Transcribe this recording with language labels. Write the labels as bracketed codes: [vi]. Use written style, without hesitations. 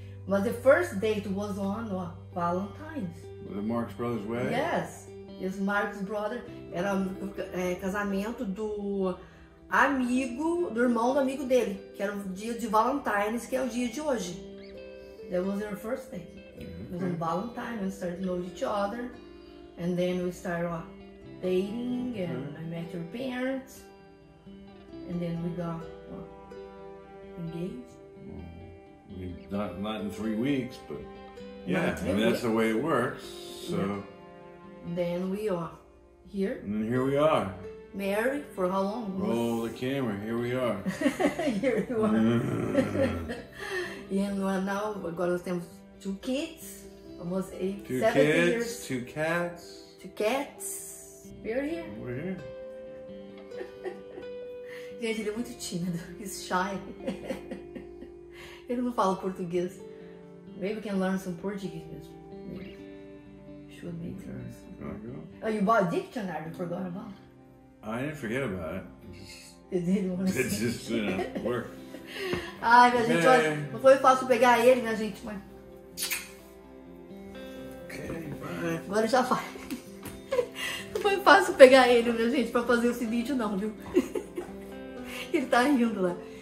[en] But the first date was on Valentine's. Was it Mark's brother's wedding? Yes. Yes, Mark's brother. [pt] Era casamento do amigo, do irmão do amigo dele, que era o dia de Valentine's, que é o dia de hoje. [en] That was our first date. Mm-hmm. It was on Valentine's, we started to know each other. And then we started dating, and mm-hmm. I met your parents. And then we got engaged. Not in 3 weeks, but yeah, that's the way it works. So yeah. Then we are here. And here we are. Married for how long? Roll the camera. Here we are. Here you are. And now we got two kids, almost 7 years. Two cats. We're here. [pt] Gente, ele é muito tímido. [en] He's shy. [pt] Ele não fala português. [en] Maybe we can learn some Portuguese. Maybe. Should make sense. Oh, you bought a dictionary, you forgot about. I didn't forget about it. It didn't want to say. It just didn't work. [pt] Ai, minha gente, olha, não foi fácil pegar ele, minha gente, mas... [en] Ok, bye. [pt] Agora já vai. Não foi fácil pegar ele, minha gente, pra fazer esse vídeo não, viu? Ele tá rindo lá.